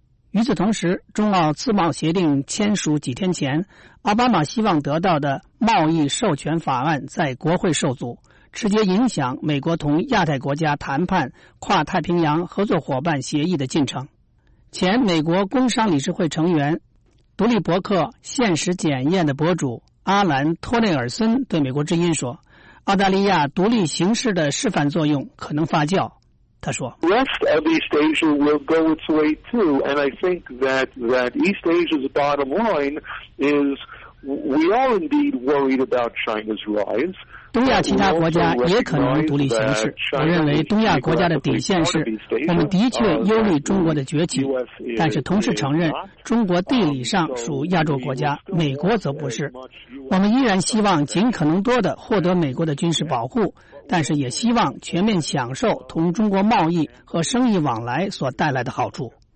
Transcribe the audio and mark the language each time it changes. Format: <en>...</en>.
<zh>与此同时，中澳自贸协定签署几天前，奥巴马希望得到的贸易授权法案在国会受阻，直接影响美国同亚太国家谈判跨太平洋合作伙伴协议的进程。前美国工商理事会成员、独立博客《现实检验》的博主阿兰·托内尔森对美国之音说，澳大利亚独立形式的示范作用可能发酵。他说</zh> <en>West of East Asia will go its way too, and I think that East Asia's bottom line is we are indeed worried about China's rise.</en> <zh>东亚其他国家也可能独立形势。我认为东亚国家的底线是我们的确忧虑中国的崛起，但是同时承认中国地理上属亚洲国家，美国则不是。我们依然希望尽可能多地获得美国的军事保护，但是也希望全面享受同中国贸易和生意往来所带来的好处。</zh>